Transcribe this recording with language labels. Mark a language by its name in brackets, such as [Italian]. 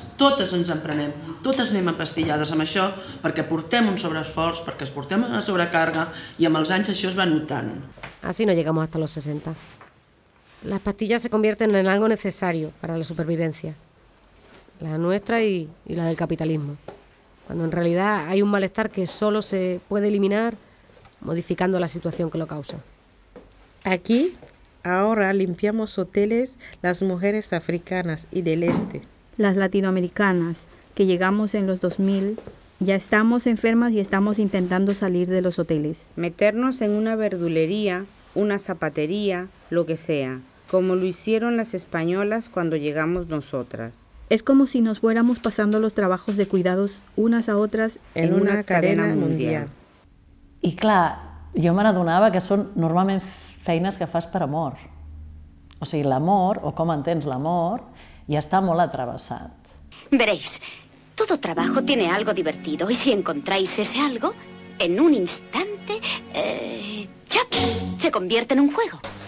[Catalan] Totes ens en prenem, totes anem empastillades amb això perquè portem un sobreesforç, perquè es portem una sobrecàrrega i amb els anys això es va notant. [Spanish] Así no llegamos hasta los 60. Las pastillas se convierten en algo necesario para la supervivencia. La nuestra y la del capitalismo. Cuando en realidad hay un malestar que solo se puede eliminar modificando la situación que lo causa. Aquí, ahora limpiamos hoteles las mujeres africanas y del este. Las latinoamericanas, que llegamos en los 2000, ya estamos enfermas y estamos intentando salir de los hoteles. Meternos en una verdulería, una zapatería, lo que sea, como lo hicieron las españolas cuando llegamos nosotras. Es como si nos fuéramos pasando los trabajos de cuidados unas a otras en una cadena mundial. [Catalan] Y claro, yo me adonaba que son normalmente feines que fas per amor. O sigui, l'amor, o com entens l'amor, ja està molt atrevessat. [Spanish] Veréis, todo trabajo tiene algo divertido y si encontráis ese algo, en un instante, ¡chap!, se convierte en un juego.